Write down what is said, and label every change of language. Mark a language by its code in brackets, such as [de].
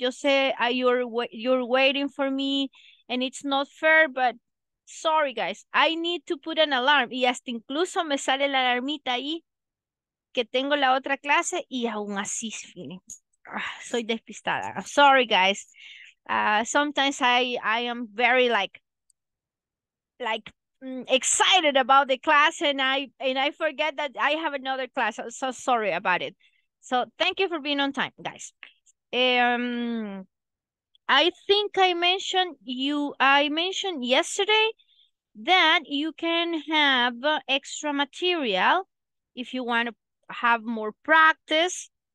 [es] Yo sé, [en] you're waiting for me and it's not fair, but sorry, guys. I need to put an alarm. [es] Y hasta incluso me sale la alarmita ahí que tengo la otra clase y aún así, soy despistada. [en] I'm sorry, guys. Sometimes I am very excited about the class and I forget that I have another class. I'm so sorry about it. So thank you for being on time, guys. I think I mentioned yesterday that you can have extra material if you want to have more practice.